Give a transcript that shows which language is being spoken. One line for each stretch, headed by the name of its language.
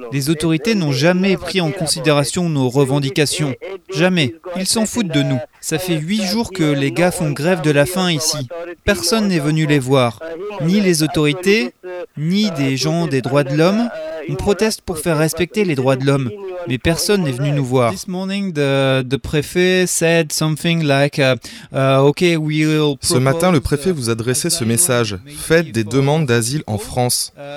French: Les autorités n'ont jamais pris en considération nos revendications. Jamais. Ils s'en foutent de nous. Ça fait 8 jours que les gars font grève de la faim ici. Personne n'est venu les voir. Ni les autorités, ni des gens des droits de l'homme. On proteste pour faire respecter les droits de l'homme. Mais personne n'est venu nous voir.
English: This morning, the préfet said something like, okay, we'll propose...
French: Ce matin, le préfet vous adressait ce message. Faites des demandes d'asile en France.